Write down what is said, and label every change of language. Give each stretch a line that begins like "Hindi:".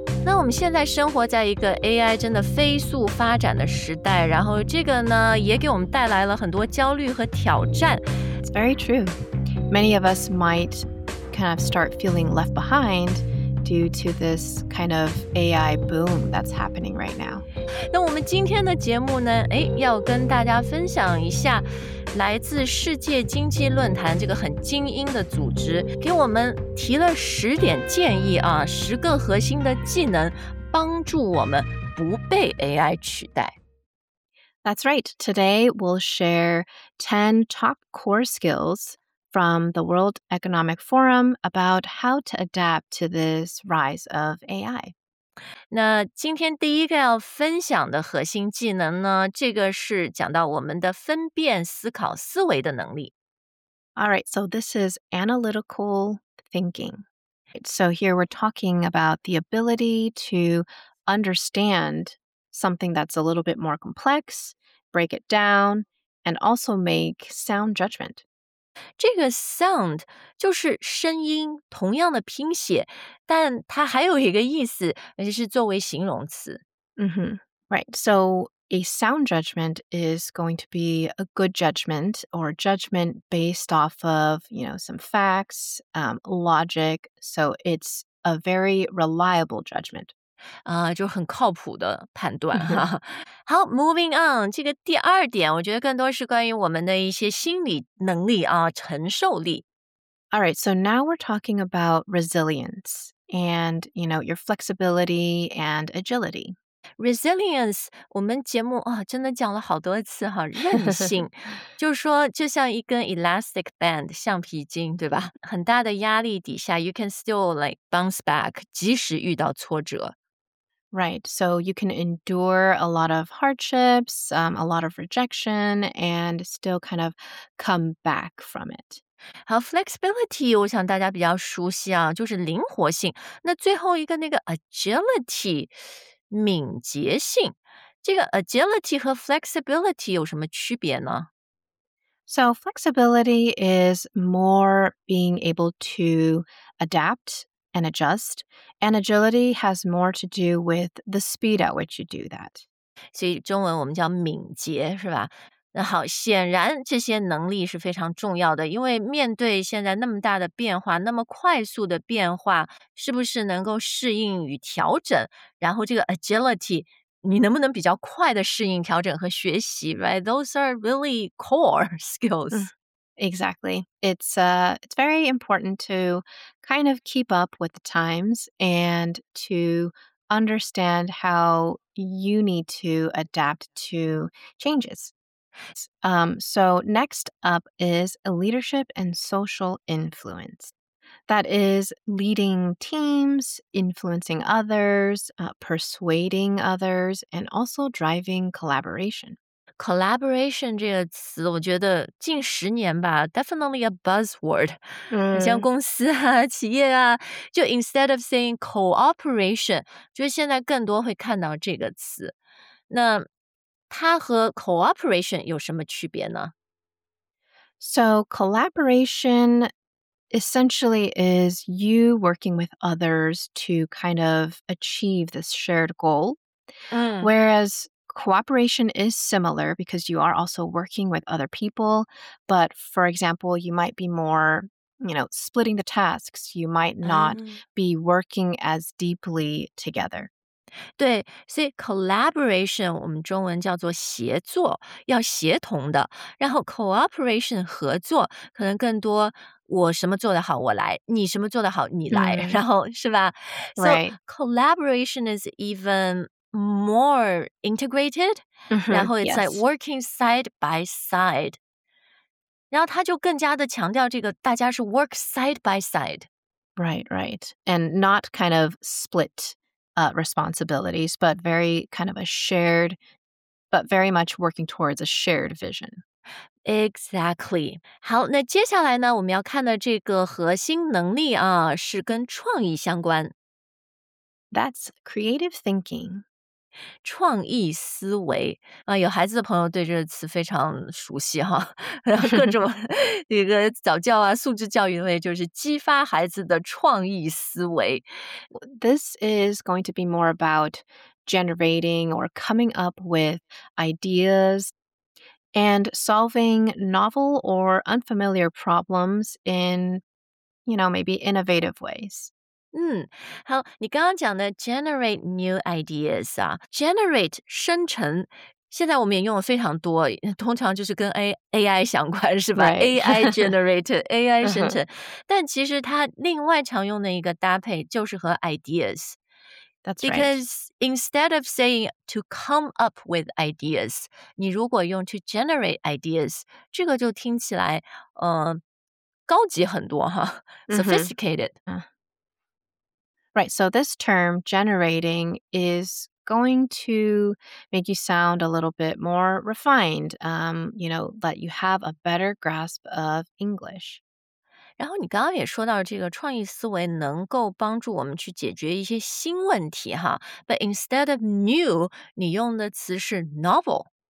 Chinese: 那我们现在生活在一个 AI 真的飞速发展的时代，然后这个呢，也给我们带来了很多焦虑和挑战。
English: It's very true. Many of us might kind of start feeling left behind due to this kind of AI boom that's happening right now.
Chinese: 那我们今天的节目呢，要跟大家分享一下来自世界经济论坛这个很精英的组织给我们提了十点建议啊，十个核心的技能帮助我们不被 AI 取代。
English: That's right. Today, we'll share 10 top core skills from the World Economic Forum about how to adapt to this rise of AI.
Chinese: 那今天第一个要分享的核心技能呢，这个是讲到我们的分辨思考思维的能力。
English: All right, so this is analytical thinking. So here we're talking about the ability to understand something that's a little bit more complex, break it down, and also make sound judgment.
Chinese: 这个 sound 就是声音，同样的拼写，但它还有一个意思，而且是作为形容词。
English: Mm-hmm. Right. So a sound judgment is going to be a good judgment or judgment based off of, you know, some facts, logic. So it's a very reliable judgment.
Chinese: 就很靠谱的判断哈。好 ，
English: moving on，
Chinese: 这个第二点，我觉得更多是关于我们的一些心理能力啊，承受力。
English: All right, so now we're talking about resilience and, you know, your flexibility and agility.
Chinese: Resilience， 我们节目啊，真的讲了好多次哈，韧性，就是说，就像一根 elastic band， 橡皮筋，对吧？很大的压力底下 ，
English: you can still like bounce back，
Chinese: 即使遇到挫折。
English: Right, so you can endure a lot of hardships, a lot of rejection, and still kind of come back from it.
Chinese: 好 ，flexibility， 我想大家比较熟悉啊，就是灵活性。那最后一个那个 agility， 敏捷性。这个 agility 和 flexibility 有什么区别呢？
English: So flexibility is more being able to adapt. And adjust. And agility has more to do with the speed at which you do that.
Chinese: 所以中文我们叫敏捷，是吧？那好，显然这些能力是非常重要的，因为面对现在那么大的变化，那么快速的变化，是不是能够适应与调整？然后这个 agility， 你能不能比较快的适应调整和学习 ？
English: Right? Those are really core skills. Exactly. It's very important to kind of keep up with the times and to understand how you need to adapt to changes. So next up is leadership and social influence. That is leading teams, influencing others, persuading others, and also driving collaboration.
Chinese: Collaboration 这个词，我觉得近十年吧 ，
English: definitely a buzzword。
Chinese: 像公司啊、企业啊，就
English: instead of saying cooperation，
Chinese: 就现在更多会看到这个词。那它和 cooperation 有什么区别呢
English: ？So collaboration essentially is you working with others to kind of achieve this shared goal，whereas Cooperation is similar because you are also working with other people. But for example, you might be more, you know, splitting the tasks. You might not be working as deeply together.
Chinese: 对，所以 collaboration 我们中文叫做协作，要协同的。然后 cooperation 合作，可能更多我什么做得好我来，你什么做得好你来，然后是吧
English: ？So collaboration is even. More integrated, mm-hmm,
Chinese: 然后
English: it's yes. like working side by side.
Chinese: 然后他就更加的强调这个大家是
English: work side by side. Right, right. And not kind of split responsibilities, but very kind of a shared, but very much working towards a shared vision. Exactly.
Chinese: 好，那接下来呢，我们要看的这个核心能力啊，是跟创意相关。
English: That's creative thinking.
Chinese: 创意思维啊，有孩子的朋友对这个词非常熟悉哈。然后各种一个早教啊，素质教育类就是激发孩子的创意思维。
English: This is going to be more about generating or coming up with ideas and solving novel or unfamiliar problems in, you know, maybe innovative ways.
Chinese: 嗯，好，你刚刚讲的
English: generate new ideas
Chinese: 啊 ，generate 生成，现在我们也用了非常多，通常就是跟 AI 相关是吧？
English: AI generated
Chinese: AI 生成，但其实它另外常用的一个搭配就是和 ideas。
English: That's right. Because instead of saying to come up with ideas，
Chinese: 你如果用
English: to generate ideas，
Chinese: 这个就听起来高级很多哈 ，sophisticated。
English: Mm-hmm. Right, so this term, generating, is going to make you sound a little bit more refined, you know, that you have a better grasp of English.
Chinese: 然后你刚刚也说到这个创意思维能够帮助我们去解决一些新问题哈
English: But instead of new,
Chinese: 你用的词是 novel.